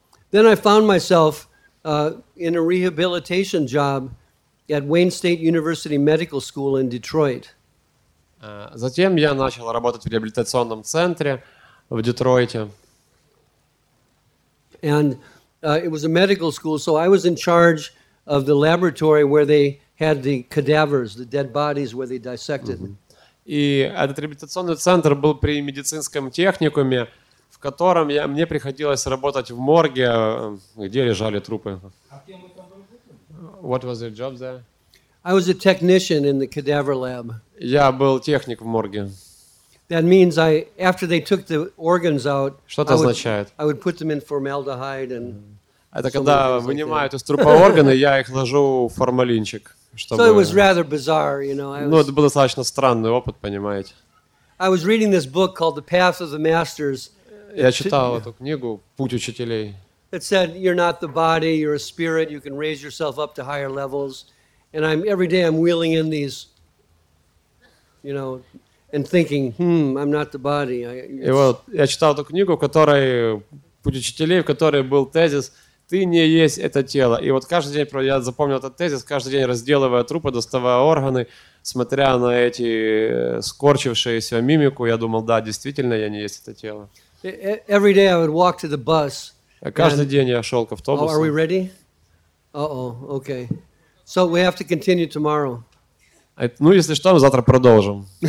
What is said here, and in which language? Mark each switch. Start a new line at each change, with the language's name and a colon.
English: Then I found myself in a rehabilitation job at Wayne State University Medical School in Detroit.
Russian: Затем я начал работать в реабилитационном центре в Детройте.
English: And it was a medical school, so I was in charge of the laboratory where they had the cadavers, the dead bodies where they dissected.
Russian: И этот реабилитационный центр был при медицинском техникуме, в котором мне приходилось работать в морге, где лежали трупы.
English: What was your job there? I was a technician in the cadaver lab.
Russian: Я был техник в морге.
English: That means I, after they took the organs out,
Russian: что-то означает?
English: I would put them in formaldehyde and.
Russian: Это когда вынимают из трупа органы, я их ложу в формалинчик, чтобы.
English: So it was rather bizarre, you know.
Russian: Ну, это был достаточно странный опыт, понимаете?
English: I was reading this book called The Path of the Masters.
Russian: Я читал эту книгу «Путь учителей».
English: It said you're not the body, you're a spirit. You can raise yourself up to higher levels. And every day I'm wheeling in these, you know, and thinking, I'm not the body.
Russian: И вот я читал эту книгу, в которой путь учителей, в которой был тезис, ты не есть это тело. И вот каждый день, я запомнил этот тезис, каждый день разделывая трупы, доставая органы, смотря на эти скорчившиеся мимику, я думал, да, действительно, я не есть это тело.
English: Every day I would walk to the bus.
Russian: Каждый день я шел к автобусу.
English: Are we ready? Uh-oh, okay. So we have to continue tomorrow.
Russian: Ну, если что, мы завтра продолжим.